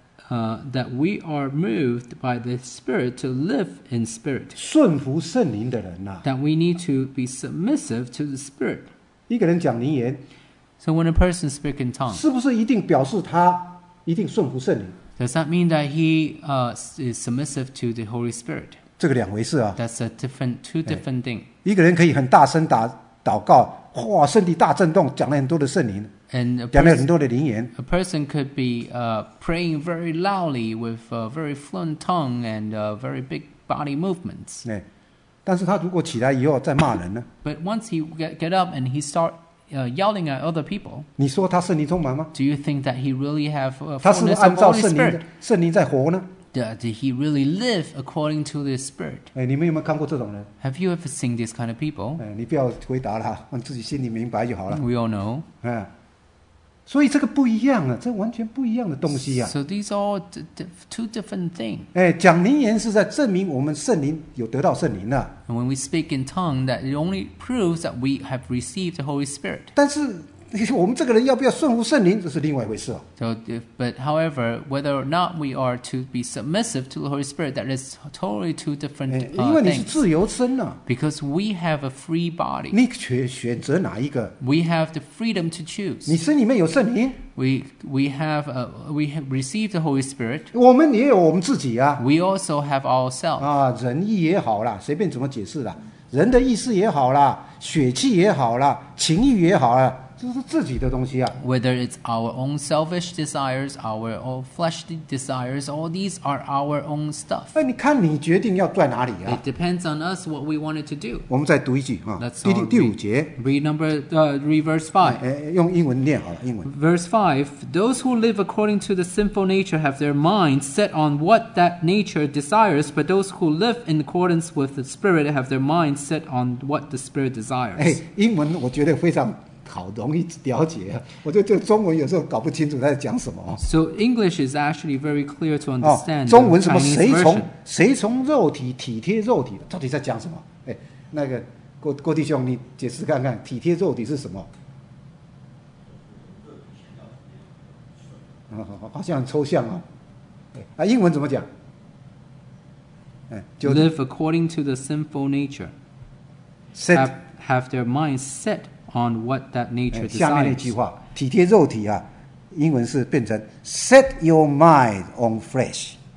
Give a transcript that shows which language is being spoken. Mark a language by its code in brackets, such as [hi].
[en] That we are moved by the Spirit to live in Spirit. [zh] 顺服圣灵的人啊。 [en] That we need to be submissive to the Spirit. [zh] 一个人讲灵言。 [en] So when a person speaks in tongues. [zh] 是不是一定表示他一定顺服圣灵？ [en] Does that mean that he is submissive to the Holy Spirit? [zh] 这个两回事啊。 [en] That's a different, two different things. [zh] 一个人可以很大声打祷告，哇，身体大震动，讲了很多的圣灵。 [en] And a person could be praying very loudly with a very fluent tongue and very big body movements. [zh] 但是他如果起来以后再骂人呢？ [en] But once he get up and he start yelling at other people, [zh] 你说他圣灵充满吗？ [en] Do you think that he really have fullness of Holy Spirit? [zh] 圣灵在活呢？ [en] Did he really live according to the Spirit? [zh] 你们有没有看过这种人？ [en] Have you ever seen these kind of people? [zh] 你不要回答了，你自己心里明白就好了。 [en] We all know. [zh] 所以这个不一样啊，这完全不一样的东西啊。 [en] So these are two different things. [zh] 讲灵言是在证明我们圣灵有得到圣灵啊。 [en] And when we speak in tongue, that it only proves that we have received the Holy Spirit. [zh] 但是我们这个人要不要顺服圣灵，这是另外一回事啊。 [en] So, but however, whether or not we are to be submissive to the Holy Spirit, that is totally two different things. [zh] 因为你是自由身啊。 [en] Because we have a free body. [zh] 你选择哪一个？ [en] We have the freedom to choose. [zh] 你身里面有圣灵。 [en] We have received the Holy Spirit. [zh] 我们也有我们自己啊。 [en] We also have ourselves. [zh] 啊，仁义也好啦，随便怎么解释啦，人的意思也好啦，血气也好啦，情欲也好啦。这是自己的东西啊。 [en] Whether it's our own selfish desires, our own fleshly desires, all these are our own stuff. [zh] 你看你决定要在哪里啊。 [en] It depends on us what we wanted to do. [zh] 我们再读一句啊。 [en] That's [zh] 第五节。 [en] Read number, read verse 5. [zh] 用英文念好了，英文。 [en] Verse 5, those who live according to the sinful nature have their minds set on what that nature desires, but those who live in accordance with the Spirit have their minds set on what the Spirit desires. [zh] 英文我觉得非常好容易了解，我觉得中文有时候搞不清楚在讲什么。 [en] So English is actually very clear to understand. [zh] 中文什么谁从肉体体贴肉体，到底在讲什么？那个郭弟兄，你解释看看，体贴肉体是什么？好像很抽象啊。英文怎么讲？ [en] Live according to the sinful nature. Set have their minds set. On what that nature desires. [zh] 下面那句话，体贴肉体啊，英文是变成 [en] set your mind on flesh.